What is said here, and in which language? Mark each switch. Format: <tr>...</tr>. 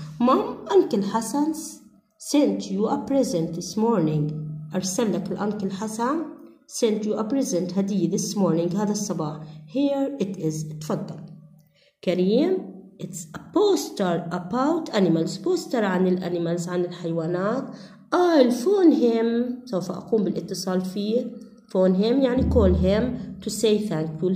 <en>Mom, Uncle Hassan's sent you a present this morning.</en> <ar>أرسلك الأنكل حسن</ar> <en>sent you a present</en> <ar>هدية</ar> <en>this morning</en> <ar>هذا الصباح.</ar> <en>Here it is.</en> <ar>اتفضل.</ar> <en>كريم it's a poster about animals.</en> <ar>poster عن الأنيمالز عن الحيوانات.</ar> <en>I'll phone him.</en> <ar>سوف أقوم بالاتصال فيه.</ar> <en>phone him</en> <ar>يعني</ar> <en>call him to say thank you.</en>